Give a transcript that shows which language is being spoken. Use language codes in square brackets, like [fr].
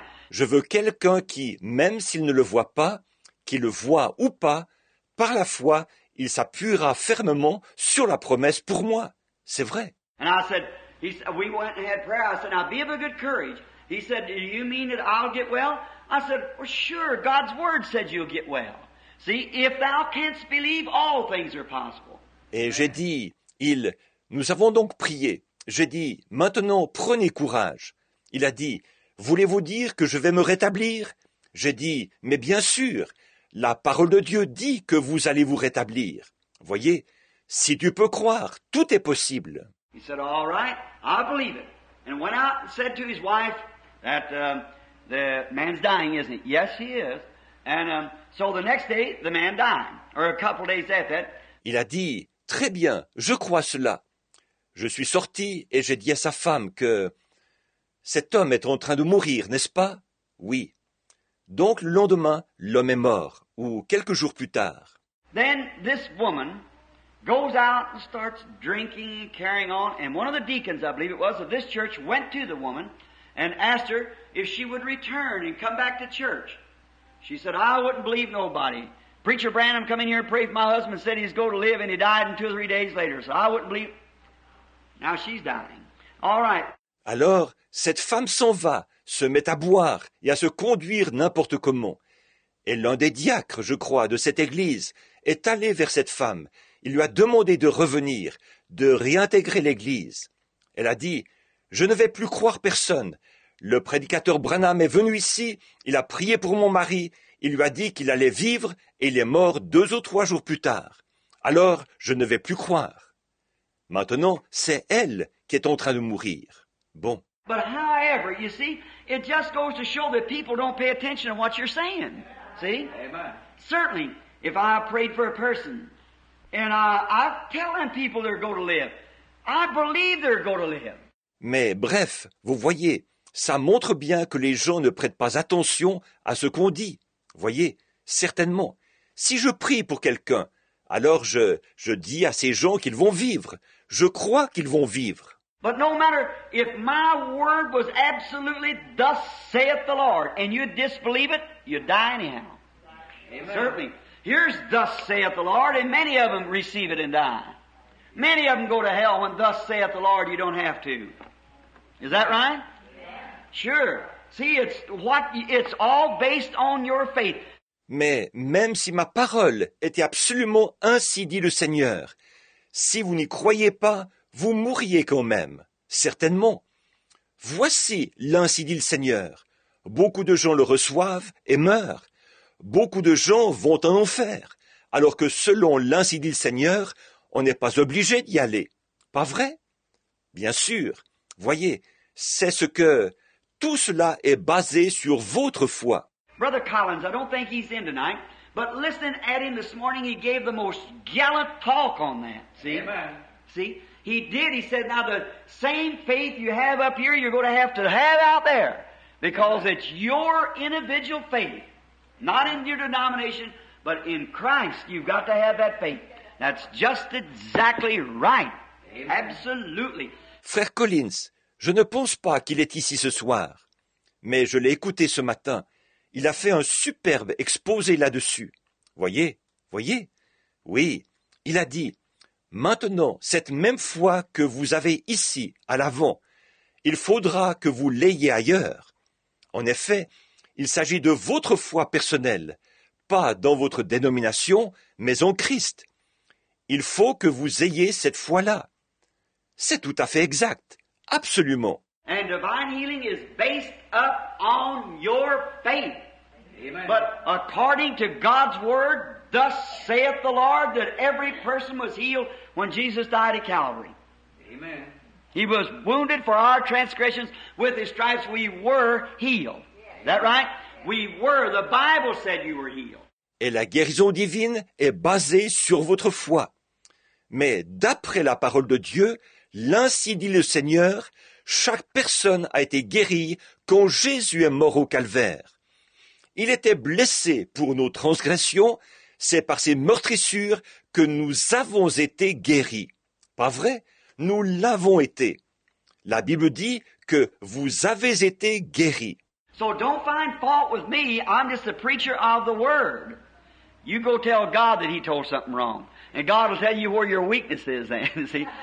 [fr] Je veux quelqu'un qui, même s'il ne le voit pas, qu'il le voit ou pas, par la foi, il s'appuiera fermement sur la promesse pour moi. C'est vrai. [en] And I said, we went and had prayer. I said, now be of a good courage. He said, do you mean that I'll get well? I said, well, sure, God's word said you'll get well. See, if thou canst believe, all things are possible. [fr] Et j'ai dit, nous avons donc prié. J'ai dit, maintenant, prenez courage. Il a dit, voulez-vous dire que je vais me rétablir? J'ai dit, mais bien sûr, la parole de Dieu dit que vous allez vous rétablir. Voyez, si tu peux croire, tout est possible. [en] He said, all right, I believe it. And went out and said to his wife that the man's dying, isn't he? Yes, he is. And so the next day, the man died, or a couple of days after that. [fr] Il a dit, très bien, je crois cela. Je suis sorti et j'ai dit à sa femme que cet homme est en train de mourir, n'est-ce pas? Oui. Donc le lendemain, l'homme est mort, ou quelques jours plus tard. [en] Then this woman goes out and starts drinking and carrying on. And one of the deacons, I believe it was, of this church, went to the woman and asked her if she would return and come back to church. She said, I wouldn't believe nobody. Preacher Branham come in here and pray for my husband, said he's going to live, and he died in two or three days later. So I wouldn't believe. Now she's dying. All right. [fr] Alors, cette femme s'en va, se met à boire et à se conduire n'importe comment. Et l'un des diacres, je crois, de cette église est allé vers cette femme. Il lui a demandé de revenir, de réintégrer l'église. Elle a dit, « Je ne vais plus croire personne. Le prédicateur Branham est venu ici, il a prié pour mon mari, il lui a dit qu'il allait vivre et il est mort deux ou trois jours plus tard. Alors, je ne vais plus croire. » Maintenant, c'est elle qui est en train de mourir. Bon. [en] But however, you see, it just goes to show that people don't pay attention to what you're saying. See? Amen. Certainly, if I prayed for a person, and I tell them people they're going to live. I believe they're going to live. [fr] Mais bref, vous voyez, ça montre bien que les gens ne prêtent pas attention à ce qu'on dit. Voyez, certainement. Si je prie pour quelqu'un, alors je dis à ces gens qu'ils vont vivre. Je crois qu'ils vont vivre. [en] But no matter if my word was absolutely thus saith the Lord, and you disbelieve it, you die anyhow. Amen. Certainly. Here's thus saith the Lord, and many of them receive it and die. Many of them go to hell when thus saith the Lord, you don't have to. Is that right? Yeah. Sure. See, it's all based on your faith. [fr] Mais même si ma parole était absolument ainsi dit le Seigneur, si vous n'y croyez pas, vous mourriez quand même, certainement. Voici l'ainsi dit le Seigneur. Beaucoup de gens le reçoivent et meurent. Beaucoup de gens vont en enfer, alors que selon l'ainsi dit le Seigneur, on n'est pas obligé d'y aller. Pas vrai? Bien sûr. Voyez, c'est ce que tout cela est basé sur votre foi. [en] Brother Collins, I don't think he's in tonight, but listening at him this morning, he gave the most gallant talk on that. See? Amen. See? He did. He said, now the same faith you have up here, you're going to have out there, because it's your individual faith, not in your denomination, but in Christ, you've got to have that faith. That's just exactly right. Amen. Absolutely. [fr] Frère Collins, je ne pense pas qu'il est ici ce soir, mais je l'ai écouté ce matin. Il a fait un superbe exposé là-dessus. Voyez, voyez. Oui, il a dit, maintenant, cette même foi que vous avez ici, à l'avant, il faudra que vous l'ayez ailleurs. En effet, il s'agit de votre foi personnelle, pas dans votre dénomination, mais en Christ. Il faut que vous ayez cette foi-là. C'est tout à fait exact, absolument. [en] And divine healing is based up on your faith. Amen. But according to God's word, thus saith the Lord, that every person was healed when Jesus died at Calvary. Amen. He was wounded for our transgressions. With his stripes we were healed. Yeah. Is that right? Yeah. We were. The Bible said you were healed. [fr] Et la guérison divine est basée sur votre foi. Mais d'après la parole de Dieu, l'ainsi dit le Seigneur, chaque personne a été guérie quand Jésus est mort au calvaire. Il était blessé pour nos transgressions, c'est par ses meurtrissures que nous avons été guéris. Pas vrai? Nous l'avons été. La Bible dit que vous avez été guéris. [en] So don't find fault with me, I'm just the preacher of the word. You go tell God that he told something wrong. And God will tell you where your weakness is then, see?